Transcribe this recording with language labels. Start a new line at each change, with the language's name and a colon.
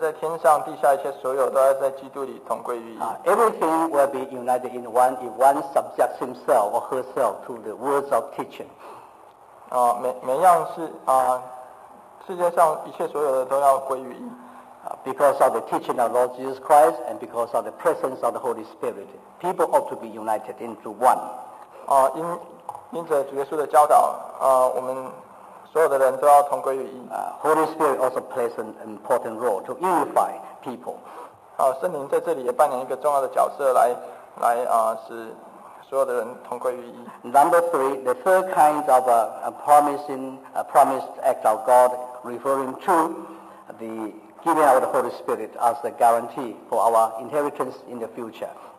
Chinese: 第二点是从九节到十一节，在天上地下一切所有都要在基督里同归于一。
English: Everything will be united in one if one subjects himself or herself to the words of teaching.
Chinese: 每样是世界上一切所有的都要归于一。
English: Because of the teaching of Lord Jesus Christ and because of the presence of the Holy Spirit, people ought to be united into one.
Chinese: 因着主耶稣的教导，我们。
English: Holy Spirit also plays an important role to unify people.
Chinese: 圣灵在这里也扮演一个重要的角色，来使所有的人同归于一。
English: Number three, the third kind of a promised act of God, referring to the giving of the Holy Spirit as the guarantee for our inheritance in the future.